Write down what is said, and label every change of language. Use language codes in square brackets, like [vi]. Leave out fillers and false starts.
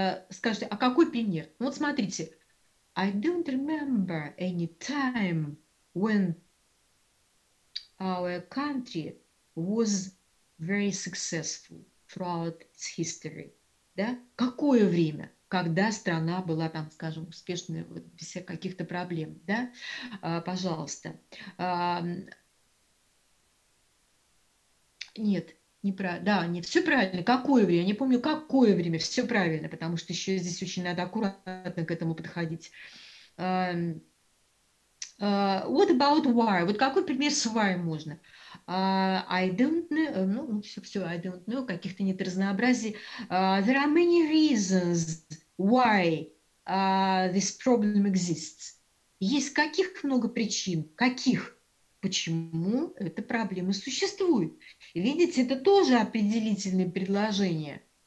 [ru] Скажите, а какой пример? Вот смотрите. [en] I don't remember any time when our country was very successful throughout its history. [ru] Да? Какое время? Когда страна была там, скажем, успешной вот, без каких-то проблем. Да? Пожалуйста. Нет. Да, не все правильно. Какое время? Я не помню, какое время. Все правильно, потому что еще здесь очень надо аккуратно к этому подходить. [en] What about why? [ru] Вот какой пример с why можно? [en] I don't know. [ru] Ну, все, [en] I don't know. [ru] Каких-то нет разнообразий. [en] There are many reasons why this problem exists. [ru] Есть каких много причин? Каких? Почему эта проблема существует? Видите, это тоже определительные предложения.